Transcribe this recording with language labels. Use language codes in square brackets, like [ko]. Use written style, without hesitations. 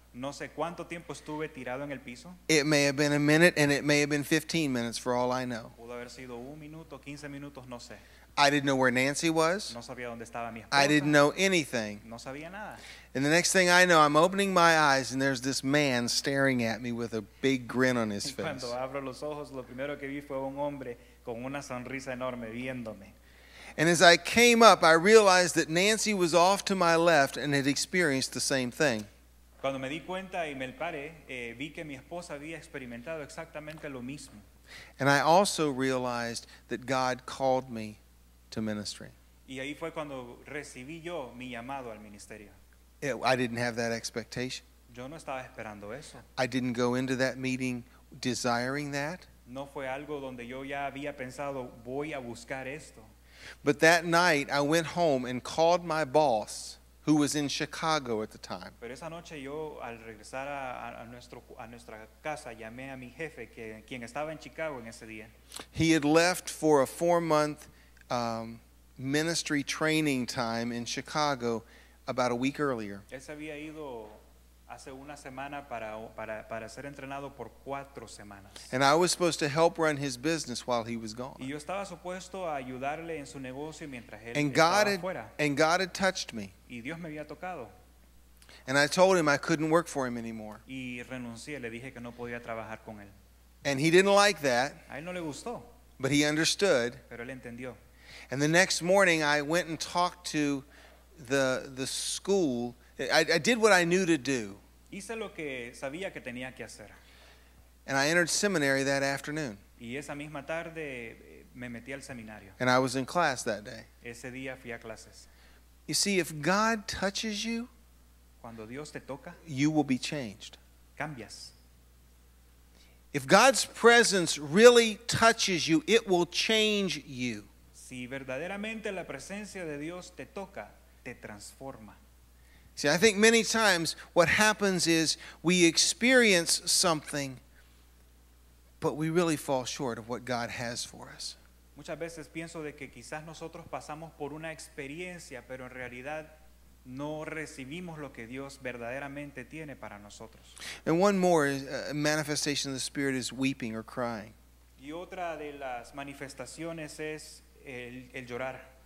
[es] No sé cuánto tiempo estuve tirado en el piso. [en] It may have been a minute and it may have been 15 minutes for all I know. [es] Pudo haber sido un minuto, 15 minutos, no sé. [en] I didn't know where Nancy was. [es] No sabía dónde estaba mi esposa. [en] I didn't know anything. [es] No sabía nada. [en] And the next thing I know, I'm opening my eyes and there's this man staring at me with a big grin on his face. [es] Cuando abro los ojos, lo primero que vi fue un hombre con una sonrisa enorme viéndome. [en] And as I came up, I realized that Nancy was off to my left and had experienced the same thing. [es] Cuando me di cuenta y me paré, vi que mi esposa había experimentado exactamente lo mismo. [en] And I also realized that God called me to ministry. [es] Y ahí fue cuando recibí yo mi llamado al ministerio. [en] I didn't have that expectation. [es] Yo no estaba esperando eso. [en] I didn't go into that meeting desiring that. [es] No fue algo donde yo ya había pensado, voy a buscar esto. [en] But that night I went home and called my boss, who was in Chicago at the time. [es] Pero esa noche yo al regresar a nuestra casa llamé a mi jefe quien estaba en Chicago en ese día. [en] He had left for a 4-month ministry training time in Chicago about a week earlier. [es] Él se había ido hace una semana para ser entrenado por 4 semanas. [en] And I was supposed to help run his business while he was gone. [es] Y yo estaba supuesto a ayudarle en su negocio mientras él estaba fuera. [en] And God had touched me. [es] Y Dios me había tocado. [en] And I told him I couldn't work for him anymore. [es] Y renuncié, le dije que no podía trabajar con él. [en] And he didn't like that. [es] A él no le gustó. [en] But he understood. [es] Pero él entendió. [en] And the next morning I went and talked to the school. I did what I knew to do. [es] Hice lo que sabía que tenía que hacer. [en] And I entered seminary that afternoon. [es] Y esa misma tarde me metí al seminario. [en] And I was in class that day. [es] Ese día fui a clases. [en] You see, if God touches you, [es] cuando Dios te toca, [en] you will be changed. [es] Cambias. [en] If God's presence really touches you, it will change you. [es] Si verdaderamente la presencia de Dios te toca, te transforma. [en] See, I think many times what happens is we experience something, but we really fall short of what God has for us. [es] Muchas veces pienso de que quizás nosotros pasamos por una experiencia, pero en realidad no recibimos lo que Dios verdaderamente tiene para nosotros. [en] And one more manifestation of the Spirit is weeping or crying. [es] Y otra de las manifestaciones es el llorar.